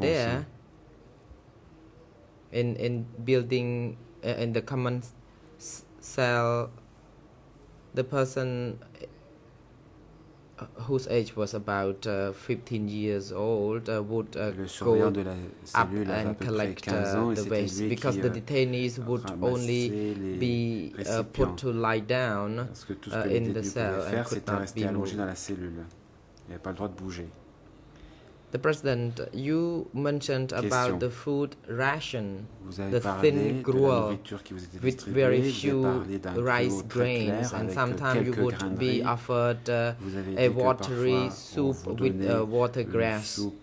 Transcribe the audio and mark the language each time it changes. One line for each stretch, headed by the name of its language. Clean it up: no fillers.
English: There in building in the common cell, the person whose age was about 15 years old would go up and collect the waste because the detainees would only be put to lie down in the cell and could not be moved.
French: Dans la cellule. Il n'y avait pas le droit de bouger.
English: The President, you mentioned about the food ration, the thin gruel with very few rice grains, and sometimes you would be offered a watery soup with water grass.